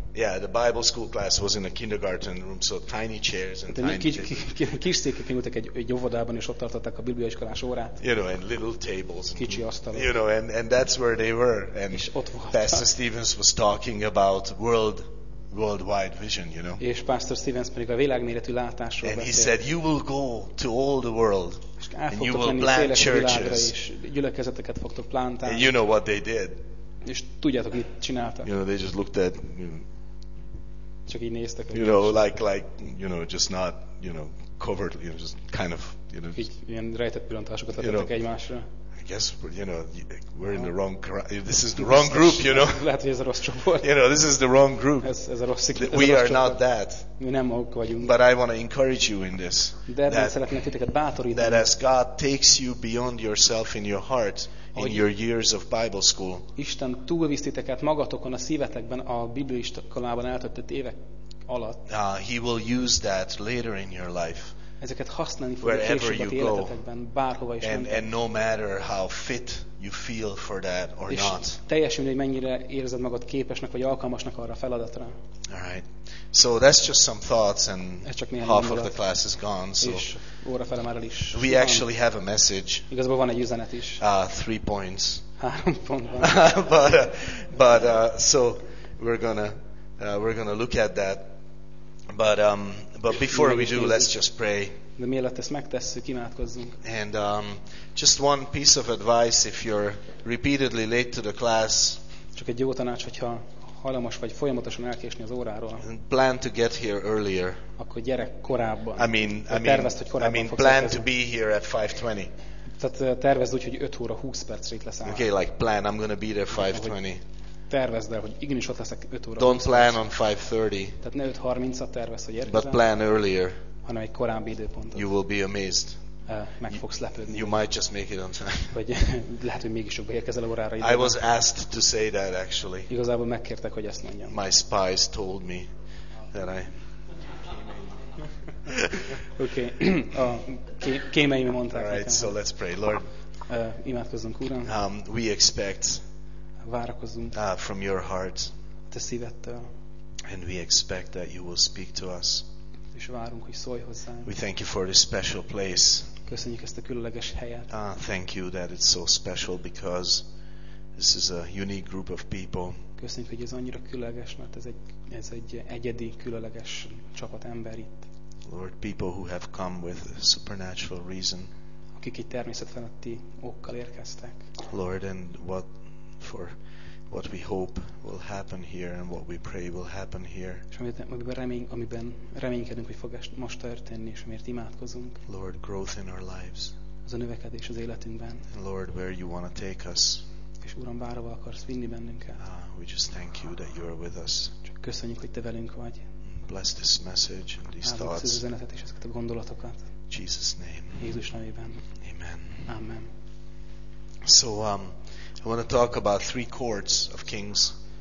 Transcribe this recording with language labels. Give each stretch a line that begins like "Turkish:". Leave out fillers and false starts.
English: Yeah, the Bible school class was in a kindergarten room, so tiny chairs and tiny tables.
Hungarian: Kis székeken ültek egy óvodában, és ott tartották a bibliaiskolás órát.
English: You know, and little tables.
Hungarian: Kicsi asztalok.
English: You know, and that's where they were. And Pastor Stevens was talking about worldwide vision, you know.
Hungarian: És Pastor Stevens pedig a világméretű látásról beszélt.
English: And he said, you will go to all the world. And you will plant churches.
Hungarian: És gyülekezeteket fogtok plantálni.
English: And you know what they did.
Hungarian: És tudjátok, mit csináltak.
English: You know, they just looked at, you know,
Hungarian: csak így néztek,
English: you know, like you know, just not, you know, covered, you know, just kind of, you know,
Hungarian: ilyen rejtett pillantásokat adtak egymásra.
English: I guess, you know, we're in the wrong crowd. This is the wrong group, you know.
Hungarian: Lehet, hogy ez a rossz csoport.
English: You know, this is the wrong group.
Hungarian: Ez a rossz csoport.
English: We are not that.
Hungarian: Mi nem ők vagyunk.
English: But I want to encourage you in this.
Hungarian: De ebben szeretnék titeket bátorítani.
English: That as God takes you beyond yourself in your heart, in your years of Bible school.
Hungarian: Isten túlvisz titeket magatokon a szívetekben a bibliaiskolában eltöltött évek alatt.
English: He will use that later in your life.
Hungarian: Ezeket használni fogja később az életetekben, bárhova is mentek.
English: And no matter how fit you feel for that or not.
Hungarian: Teljesen mindegy, mennyire érzed magad képesnek vagy alkalmasnak arra a feladatra.
English: All right. So that's just some thoughts and half of the class is gone. So we actually have a message.
Hungarian: Igazából van egy üzenet is.
English: Three points.
Hungarian: Három pont van.
English: But so we're gonna look at that. But before we do, let's just pray.
Hungarian: De mielőtt ezt megtesszük, imádkozzunk.
English: And just one piece of advice if you're repeatedly late to the class.
Hungarian: Csak egy jó tanács, hogyha hajlamos vagy folyamatosan elkésni az óráról.
English: And plan to get here earlier.
Hungarian: Akkor gyere korábban.
English: I mean plan to be here at 5:20.
Hungarian: Tehát tervezd úgy, hogy 5 óra 20 percre itt leszáll.
English: Okay, like plan, I'm gonna be there 5:20.
Hungarian: Tervezd el, hogy igenis ott leszek 5 óra.
English: Don't plan on 5:30.
Hungarian: Tehát ne 5:30-at tervezd, hogy érkezel.
English: But plan earlier.
Hungarian: Hanem egy korábbi időpontot.
English: You will be amazed.
Hungarian: Meg fogsz lepődni.
English: You might just make it on time.
Hungarian: Vagy lehet, hogy mégis jobb érkezel órára.
English: I was asked to say that actually.
Hungarian: Igazából megkértek, hogy ezt mondjam.
English: My spies told me that I.
Hungarian: Okay. Kémeim mondták.
English: All right, so let's pray, Lord.
Hungarian: Imádkozzunk, Uram.
English: We expect.
Hungarian: Várakozunk.
English: From your heart.
Hungarian: Te szívedtől.
English: And we expect that you will speak to us.
Hungarian: És várunk, hogy szólj hozzánk.
English: We thank you for this special place.
Hungarian: Köszönjük ezt a különleges helyet.
English: Thank you that it's so special because this is a unique group of people.
Hungarian: Köszönjük, hogy ez annyira különleges, mert ez egy egyedi, különleges csapat ember itt.
English: Lord, people who have come with a supernatural reason.
Hungarian: Akik itt természetfeletti okkal érkeztek.
English: Lord, and what we hope will happen here and what we pray will happen here.
Hungarian: Amiben reménykedünk, hogy fog most történni, és miért imádkozunk.
English: Lord, growth in our lives.
Hungarian: Az a növekedés az életünkben.
English: And Lord, where you want to take us.
Hungarian: És Uram, bárhova akarsz vinni bennünket.
English: We just thank you that you are with us.
Hungarian: Csak köszönjük, hogy te velünk vagy.
English: Bless this message and these thoughts.
Hungarian: Áldjuk az üzenetet és ezeket a gondolatokat.
English: Jesus name.
Hungarian: Jézus nevében.
English: Amen.
Hungarian: Amen.
English: So, I want to talk about three courts of kings.